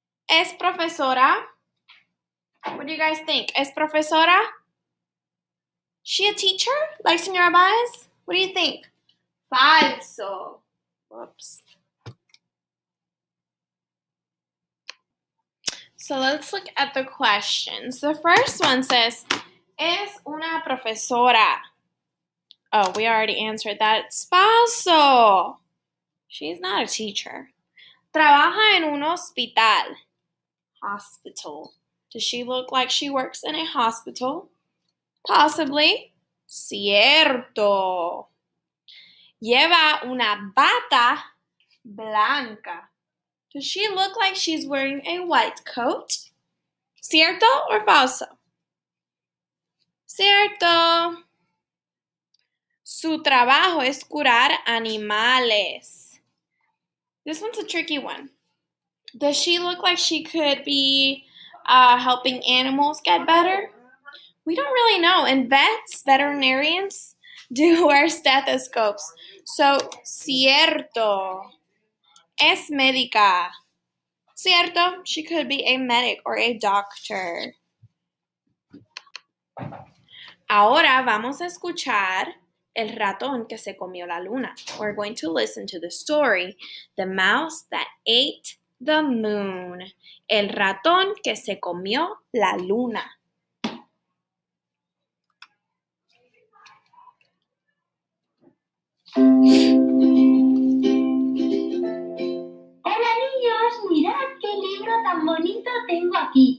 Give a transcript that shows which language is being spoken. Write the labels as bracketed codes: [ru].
[es] ¿Es profesora? [en] What do you guys think? ¿Es profesora? She a teacher? Like Señora Baez? What do you think? [es] Falso. [en] Whoops. So let's look at the questions. The first one says, [es] ¿Es una profesora? [en] Oh, we already answered that. It's falso. She's not a teacher. [es] ¿Trabaja en un hospital? Hospital. [en] Does she look like she works in a hospital? Possibly. [es] Cierto. Lleva una bata blanca. [en] Does she look like she's wearing a white coat? [es] Cierto or falso? Cierto. Su trabajo es curar animales. [en] This one's a tricky one. Does she look like she could be helping animals get better? We don't really know. And vets, veterinarians, do wear stethoscopes. [es] So, cierto. Es médica. Cierto. [en] She could be a medic or a doctor. [es] Ahora vamos a escuchar el ratón que se comió la luna. [en] We're going to listen to the story, The Mouse That Ate the Moon. [es] El ratón que se comió la luna. Hola niños, mirad qué libro tan bonito tengo aquí.